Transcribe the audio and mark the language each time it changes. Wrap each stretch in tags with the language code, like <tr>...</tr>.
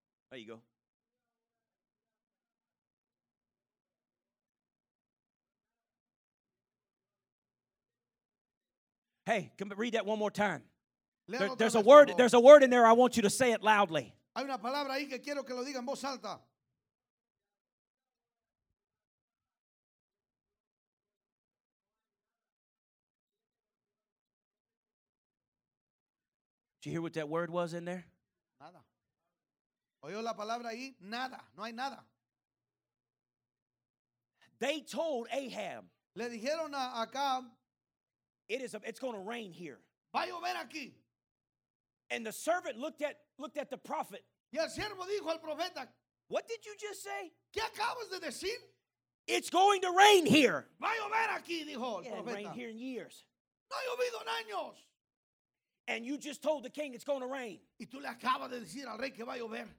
<en>There you go. Hey, come read that one more time. There's a word. There's a word in there. I want you to say it loudly.</en> <es>Hay una palabra ahí que quiero que lo diga en voz alta.</es> <en>Did you hear what that word was in there?</en> <es>Nada. Oyó la palabra ahí, nada, no hay nada.</es> <en>They told Ahab.</en> <es>Le dijeron a Acab.</es> <en>It's going to rain here.</en> <es>Va a llover aquí.</es> <en>And the servant looked at the prophet.</en> <es>Y el siervo dijo al profeta.</es> <en>What did you just say?</en> <es>¿Qué acabas de decir?</es> <en>It's going to rain here.</en> <es>Va a llover aquí, dijo el profeta.</es> <en>It hasn't rained here in years.</en> <es>No ha llovido en años.</es> <en>And you just told the king it's going to rain.</en> <es>Y tú le acabas de decir al rey que va a llover.</es>